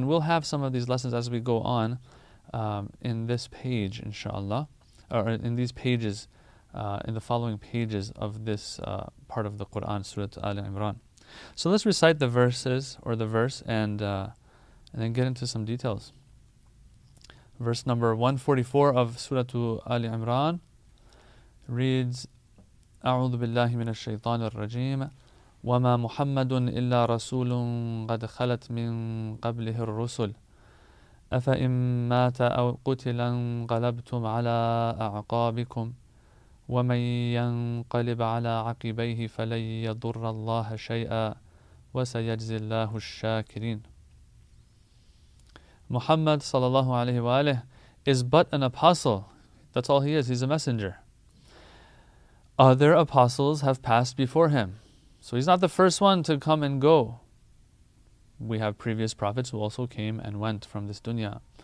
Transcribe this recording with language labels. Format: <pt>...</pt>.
<en>And we'll have some of these lessons as we go on in this page, inshallah. Or in these pages, in the following pages of this part of the Quran, Surah Ali Imran. So let's recite the verses, or the verse, and then get into some details. Verse number 144 of Surah Ali Imran reads,</en> <ar>أعوذ بالله من الشيطان الرجيم وما محمد إلا رسول قد خلت من قبله الرسل أفإن مات أو قتل انقلبتم على أعقابكم ومن ينقلب على عقبيه فلن يضر الله شيئا وسيجزي الله الشاكرين.</ar> <en>Muhammad sallallahu alayhi wa alayhi is but an apostle. That's all he is. He's a messenger. Other apostles have passed before him. So he's not the first one to come and go. We have previous prophets who also came and went from this dunya.</en>